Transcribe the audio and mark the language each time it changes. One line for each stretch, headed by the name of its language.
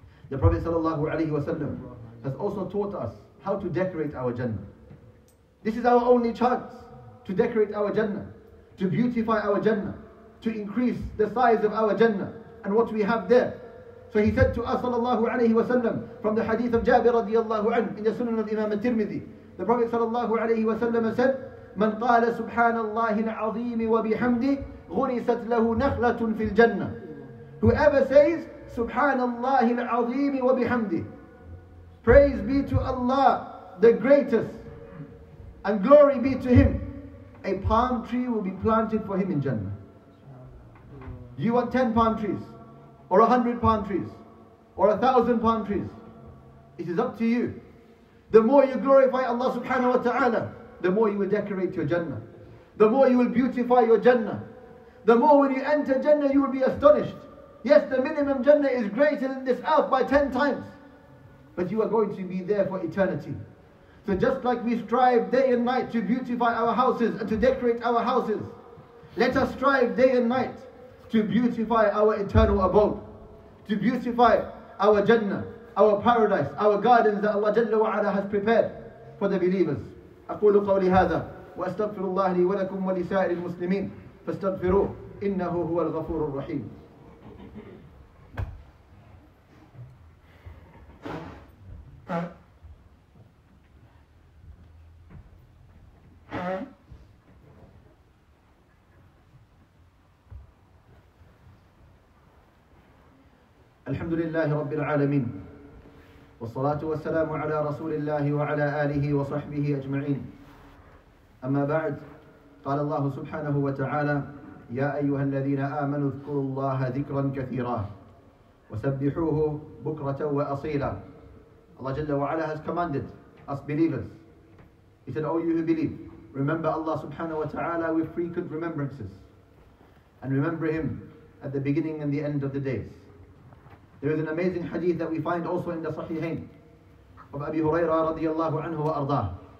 English: The Prophet sallallahu alayhi wa sallam has also taught us how to decorate our Jannah. This is our only chance to decorate our Jannah, to beautify our Jannah, to increase the size of our Jannah and what we have there. So he said to us sallallahu alayhi wa sallam from the hadith of Jabir radiallahu anhu in the Sunan of Imam al-Tirmidhi. The Prophet sallallahu alayhi wa sallam said,
Arabic: من قال سبحان الله العظيم وبحمده غنست له نخلة في الجنة.
English: Whoever says
Arabic: سبحان الله العظيم وبحمده,
English: praise be to Allah the greatest and glory be to Him, a palm tree will be planted for him in Jannah. You want 10 palm trees or 100 palm trees or 1,000 palm trees, it is up to you. The more you glorify Allah subhanahu wa ta'ala, the more you will decorate your Jannah. The more you will beautify your Jannah. The more when you enter Jannah, you will be astonished. Yes, the minimum Jannah is greater than this earth by 10 times. But you are going to be there for eternity. So just like we strive day and night to beautify our houses and to decorate our houses, let us strive day and night to beautify our eternal abode, to beautify our Jannah, our paradise, our gardens that Allah Jalla wa Ala has prepared for the believers.
Arabic: أقول قولي هذا وأستغفر الله لي ولكم ولسائر المسلمين فاستغفروه إنه هو الغفور الرحيم. الحمد لله رب العالمين والصلاة والسلام على رسول الله وعلى آله وصحبه أجمعين. أما بعد، قال الله سبحانه وتعالى: يا أيها الذين آمنوا اذكروا الله ذكرا كثيرا وسبحوه بكرة وأصيلا.
English: Allah Jalla wa Ala has commanded us believers. He said, O you who believe, remember Allah subhanahu wa ta'ala with frequent remembrances. And remember Him at the beginning and the end of the days. There is an amazing hadith that we find also in the Sahihain of Abi Hurairah radiallahu anhu wa ardah.